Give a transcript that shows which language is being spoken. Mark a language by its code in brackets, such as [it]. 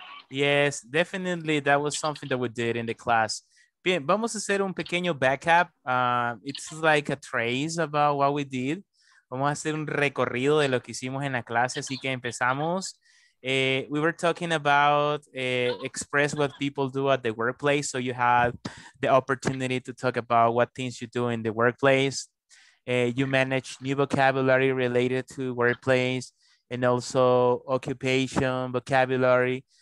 [en] Yes, definitely that was something that we did in the class. [es] Bien, vamos a hacer un pequeño backup. [en] It's like a trace about what we did. [es] Vamos a hacer un recorrido de lo que hicimos en la clase. Así que empezamos. [en] We were talking about express what people do at the workplace. So you have the opportunity to talk about what things you do in the workplace. You manage new vocabulary related to workplace and also occupation vocabulary.